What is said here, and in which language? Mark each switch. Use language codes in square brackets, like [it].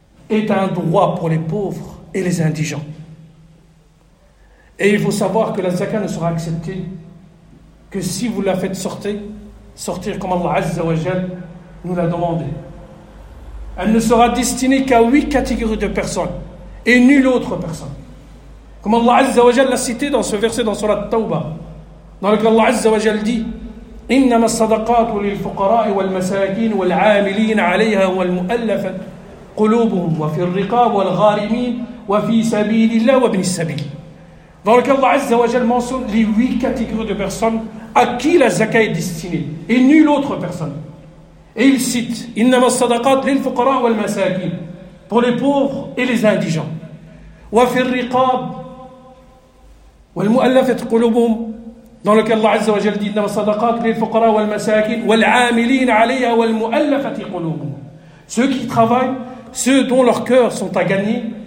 [fr] Est un droit pour les pauvres et les indigents. » Et il faut savoir que la zakat ne sera acceptée que si vous la faites sortir comme Allah Azza wa Jal nous l'a demandé. Elle ne sera destinée qu'à 8 catégories de personnes. Et nulle autre personne. Comme Allah Azza wa Jal l'a cité dans ce verset dans Surah Tawbah, dans lequel Allah Azza wa Jal dit [ar] إنما الصدقات للفقراء والمساكين والعاملين عليها والمؤلفة قلوبهم وفي الرقاب والغارمين وفي سبيل الله وابن السبيل. [fr] Donc Allah Azza wa Jalla mentionne les huit catégories de personnes à qui la zakat est destinée et nulle autre personne. Et il cite Innama as-sadaqat lil-fuqara wal-masakin, pour les pauvres et les indigents. Wa fir-riqab wal-mu'allafat qulubuhum, dans lequel Allah Azza wa Jalla dit Innama as-sadaqat lil-fuqara wal-masakin wal-aamilin 'alayha wal-mu'allafat qulubuhum, ceux qui travaillent, ceux dont leurs cœurs sont à gagner.